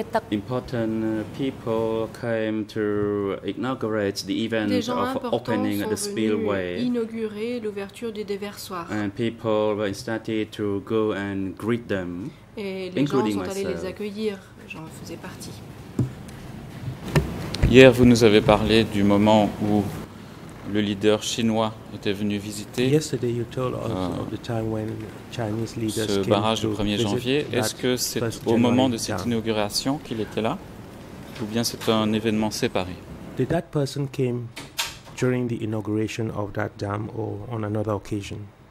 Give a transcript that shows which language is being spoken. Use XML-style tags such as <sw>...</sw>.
<en>Important people came to inaugurate the event of opening the spillway.</en> <fr>Inaugurer l'ouverture du déversoir.</fr> <en>And people started to go and greet them, including myself.</en> <fr>Et les gens sont allés les accueillir. J'en faisais partie. Hier, vous nous avez parlé du moment où le leader chinois était venu visiter.</fr> <en>Yesterday, you told of the time when Chinese leaders</en> <fr>ce barrage du 1er janvier. Est-ce que c'est au moment de cette inauguration qu'il était là, ou bien c'est un événement séparé?</fr> <en>Did that person came during the inauguration of that dam or on another occasion?</en>